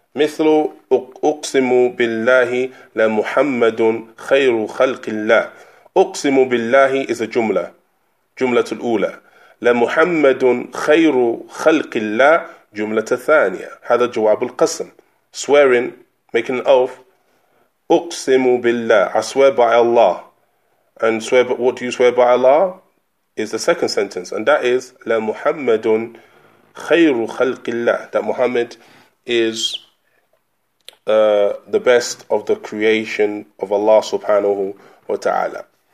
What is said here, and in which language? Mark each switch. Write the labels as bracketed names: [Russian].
[Arabic] مثل أقسم بالله لمحمد خير خلق الله. أقسم بالله [English] is a [Arabic] jumla, jumla الأولى. لمحمد خير خلق الله جملة ثانية. هذا جواب القسم. [English] Swearing, making an oath. [Arabic] أقسم بالله. [English] I swear by Allah. And swear, but what do you swear by Allah? Is the second sentence, and that is [Arabic] la Muhammadun khayru khalqillah, [English] that Muhammad is the best of the creation of Allah subhanahu wa ta'ala.